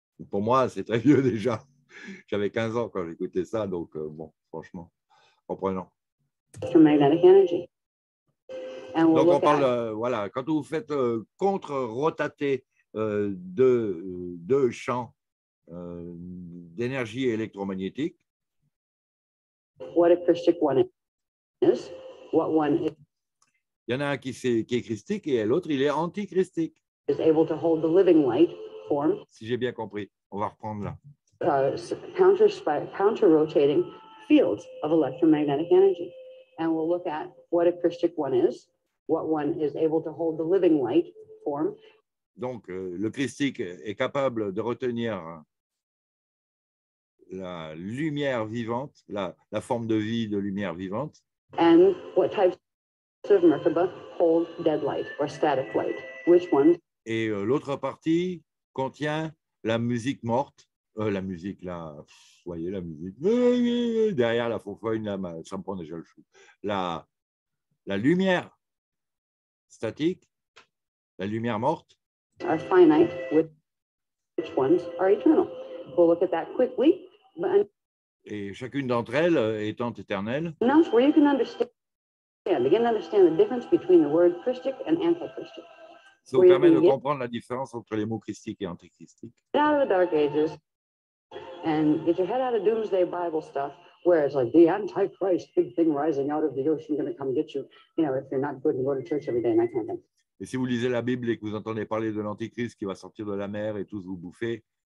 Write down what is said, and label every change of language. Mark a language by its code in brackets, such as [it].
[fr] Pour moi, c'est très vieux déjà. J'avais 15 ans quand j'écoutais ça, donc bon, franchement, comprenant. Donc, on parle, voilà, quand vous faites contre-rotater deux champs d'énergie électromagnétique, [en] what a Christic one is, what one is. [fr] Il y en a un qui est christique et l'autre, il est anti-christique. [en] Is able to hold the living light form. [fr] Si j'ai bien compris, on va reprendre là. [en] Counter-rotating fields of electromagnetic energy. And we'll look at what a christic one is, what one is able to hold the living light form. [fr] Donc, le christique est capable de retenir la lumière vivante, la forme de vie de lumière vivante. [en] And what types of Merkaba hold dead light or static light, which one? [fr] Et l'autre partie contient la musique morte, la musique là, vous voyez la musique, derrière la fourfoine, là, ça me prend déjà le chou. La lumière statique, la lumière morte. [en] Are finite, which ones are eternal? We'll look at that quickly. [fr] Et chacune d'entre elles étant éternelle. [en] Now, where you can begin to understand the difference between the word Christic and antichristic. [fr] Ça vous permet de comprendre la différence entre les mots christique et antichristique. [en] Get out of the dark ages and get your head out of doomsday Bible stuff, where it's like the antichrist, big thing rising out of the ocean, going to come get you, you know, if you're not good and go to church every day and that kind of thing. [fr] Et si vous lisez la Bible et que vous entendez parler de l'antichrist qui va sortir de la mer et tous vous bouffer.